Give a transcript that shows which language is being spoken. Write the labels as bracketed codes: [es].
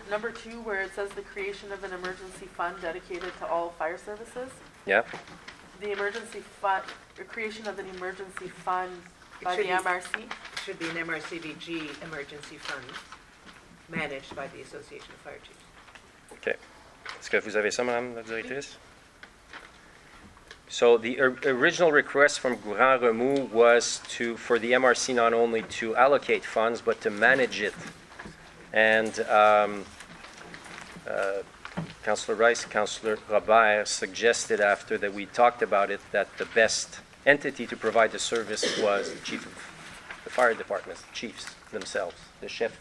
[en] Number 2, where it says the creation of an emergency fund dedicated to all fire services. Yeah. The emergency fund, the creation of an emergency fund by the MRC. Should be an MRCVG emergency fund managed by the Association of Fire Chiefs. Okay. [fr] Est-ce que vous avez ça, Madame la Directrice? [en] So the original request from Grand Remous was to for the MRC not only to allocate funds, but to manage it. And Councillor Rice, Councillor Robert suggested after that we talked about it that the best entity to provide the service was the chief of the fire department, the chiefs themselves, the chef